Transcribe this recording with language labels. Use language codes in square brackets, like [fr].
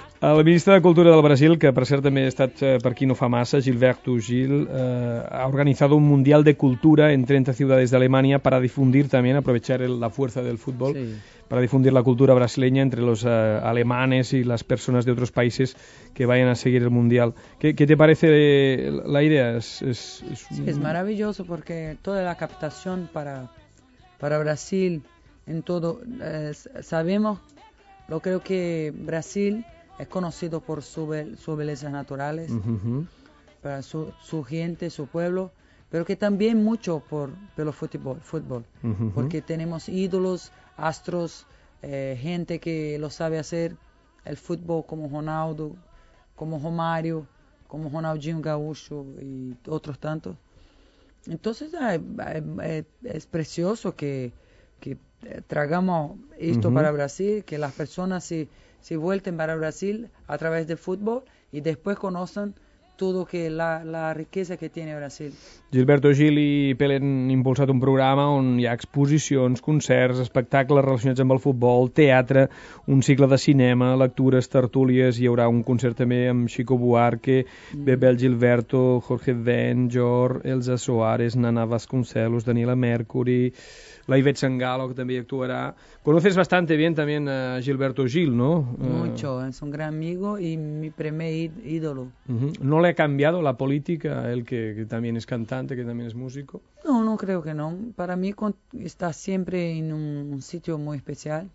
[ca] El ministre de Cultura del Brasil, que per cert també ha estat per aquí no fa massa, Gilberto Gil, ha organitzat un Mundial de Cultura en 30 ciutats d'Alemanya per a difundir també, aprovechar la força del futbol, sí. per a difundir la cultura [es] brasileña entre los alemanes [ca] i les persones d'altres països [es] que vayan a seguir [ca] el Mundial. [es] Què te parece la idea? És maravilloso perquè toda la captación para Brasil en todo, sabemos, lo creo que Brasil es conocido por sus bellezas naturales, uh-huh. para su gente, su pueblo, pero que también mucho por el fútbol, uh-huh. porque tenemos ídolos, astros, gente que lo sabe hacer, el fútbol como Ronaldo, como Romario, como Ronaldinho Gaúcho y otros tantos. Entonces es precioso que tragamos esto uh-huh. para Brasil, que las personas se vuelten para Brasil a través del fútbol y después conocen todo que la riqueza que tiene Brasil. [ca] Gilberto Gil i Pelé han impulsat un programa on hi ha exposicions, concerts, espectacles relacionats amb el futbol, teatre, un cicle de cinema, lectures, tertúlies, hi haurà un concert també amb Chico Buarque, Bebel Gilberto, Jorge Ben, Jor, Elsa Soares, Nana Vasconcelos, Daniela Mercury, la Ivette Sangalo, que també hi actuarà. [es] Conoces bastante bien también a Gilberto Gil, ¿no? Mucho, es un gran amigo y mi primer ídolo. Uh-huh. ¿No le ha cambiado la política a él, que también es cantante, que también es músico? No creo que no. Para mí está siempre en un sitio muy especial,